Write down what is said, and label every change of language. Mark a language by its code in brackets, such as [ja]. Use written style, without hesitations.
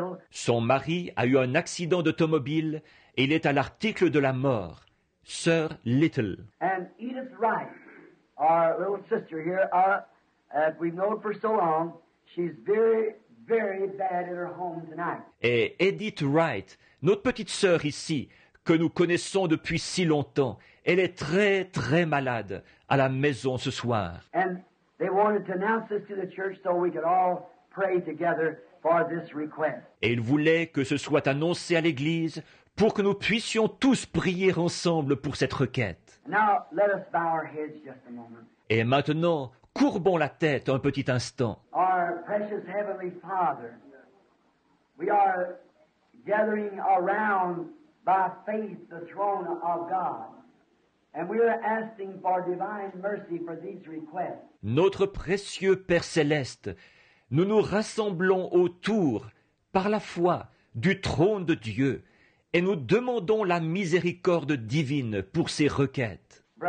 [fr] Son mari a eu un accident d'automobile et il est à l'article de la mort. Sœur Little. [en] And Edith Wright, our little sister here, as we've known for so long, she's very, very bad in her home tonight. [fr] Et Edith Wright, notre petite sœur ici, que nous connaissons depuis si longtemps, elle est très, très malade à la maison ce soir. [en] And they wanted to announce this to the church so we could all pray together. For this request. [fr] Et il voulait que ce soit annoncé à l'Église pour que nous puissions tous prier ensemble pour cette requête. [en] Now, let us bow our heads just a moment. [fr] Et maintenant, courbons la tête un petit instant. [en] Our precious Heavenly Father, we are gathering around by faith the throne of God. And we are asking for divine mercy for these requests. [fr] Notre précieux Père Céleste, nous nous rassemblons autour, par la foi, du trône de Dieu et nous demandons la miséricorde divine pour ces requêtes.